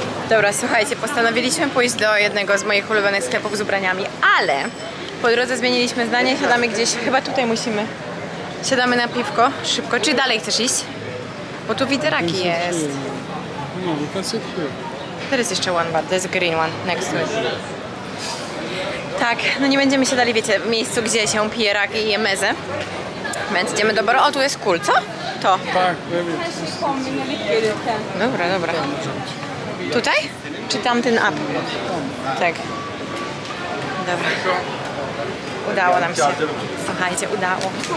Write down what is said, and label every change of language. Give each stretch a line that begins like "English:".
Polish: Dobra, słuchajcie, postanowiliśmy pójść do jednego z moich ulubionych sklepów z ubraniami, ale po drodze zmieniliśmy zdanie, siadamy gdzieś, chyba tutaj musimy. Siadamy na piwko, szybko. Czy dalej chcesz iść? Bo tu widzę raki jest.
English: No, we can sit here. There is jeszcze one, but there's a green one next to it.
Polish: Tak, no nie będziemy siadali, wiecie, w miejscu, gdzie się pije raki i je mezę. Więc idziemy do baru. O, tu jest cool, co? To. Tak, dobra, dobra. Tutaj? Czy tamten up? Tak. Dobra. Udało nam się. Słuchajcie, udało.